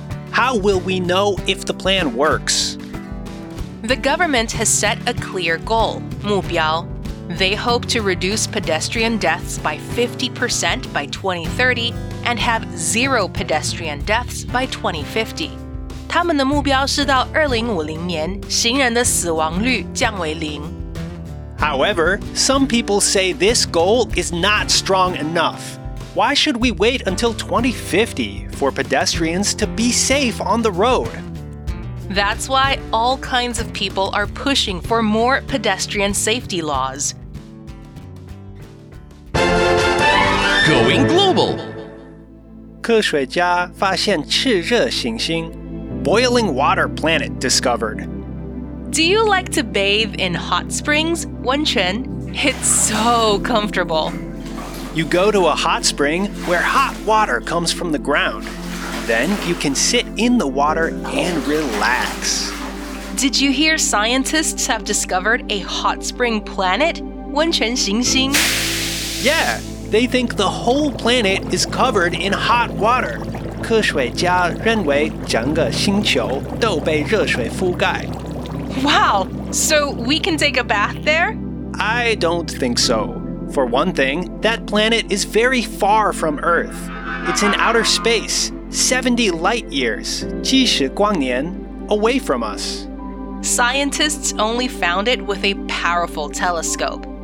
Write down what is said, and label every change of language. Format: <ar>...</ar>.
<en>How will we know if the plan works? The government has set a clear goal, 目标,They hope to reduce pedestrian deaths by 50% by 2030 and have zero pedestrian deaths by 2050.</en> <zh>他们的目标是到2050年，行人的死亡率降为零。</zh> <en>However, some people say this goal is not strong enough. Why should we wait until 2050 for pedestrians to be safe on the road? That's why all kinds of people are pushing for more pedestrian safety laws. Going global.</en> <zh>科学家发现炽热行星</zh> <en>Boiling water planet discovered. Do you like to bathe in hot springs, 温泉? It's so comfortable. You go to a hot spring where hot water comes from the ground. Then you can sit in the water and relax. Did you hear scientists have discovered a hot spring planet, 温泉行星? Yeah. They think the whole planet is covered in hot water.</en> <zh>科学家认为整个星球都被热水覆盖。</zh> <en>Wow! So we can take a bath there? I don't think so. For one thing, that planet is very far from Earth. It's in outer space, 70 light years,</en> <zh>七十光年,</zh> <en>away from us. Scientists only found it with a powerful telescope.</en>